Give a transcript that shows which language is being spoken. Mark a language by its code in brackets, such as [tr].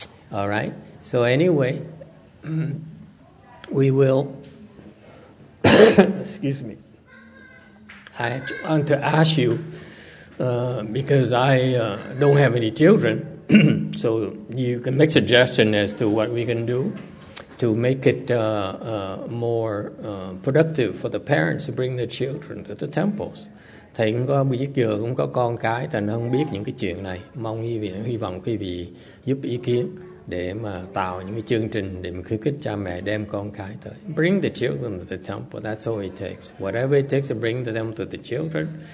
[en] All right, so anyway, we will excuse me, I want to ask you, because I don't have any children, so you can make suggestion as to what we can do to make it more productive for the parents to bring their children to the temples. [vi] Thầy cũng có biết giờ cũng có con cái, thành không biết những cái chuyện này. Mong quý vị, hy vọng quý vị giúp ý kiến để mà tạo những cái chương trình để mà khuyến khích cha mẹ đem con cái tới. [en] Bring the children to the temple, that's all it takes. Whatever it takes to bring them to the children.